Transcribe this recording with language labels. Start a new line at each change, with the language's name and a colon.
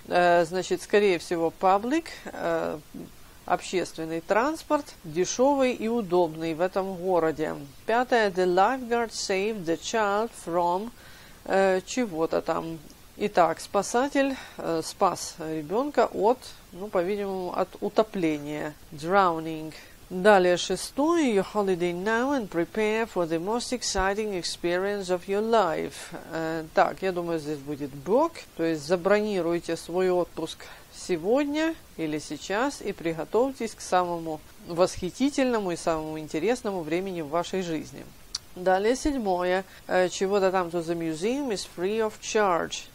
Russian: Значит, скорее всего, public, общественный транспорт, дешевый и удобный в этом городе.
English: Пятое, the lifeguard saved the child from...
Russian: чего-то там. Итак, спасатель спас ребенка от, ну, по-видимому, от утопления. Drowning. Далее шестое.
English: Your holiday now and prepare for the most exciting experience of your life.
Russian: Так, я думаю, здесь будет book. То есть забронируйте свой отпуск сегодня или сейчас и приготовьтесь к самому восхитительному и самому интересному времени в вашей жизни. Далее седьмое. Чего-то там
English: to the museum is free of charge.